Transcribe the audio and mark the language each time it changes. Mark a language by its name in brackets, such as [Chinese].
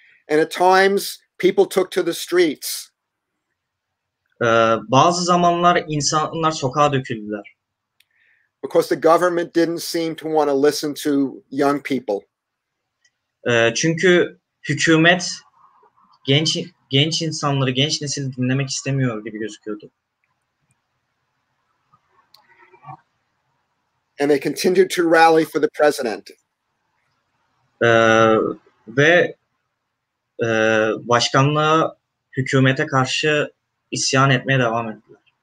[English] And at times people took to the streets. [Turkish] Bazı zamanlar insanlar sokağa döküldüler. [English] Because the government didn't seem to want to listen to young people. [Turkish] Çünkü hükümet genç insanları, genç nesili dinlemek istemiyor gibi gözüküyordu. [English] And they continued to rally for the president. [Turkish] Ve başkanlığa, hükümete karşı isyan etmeye devam ettiler.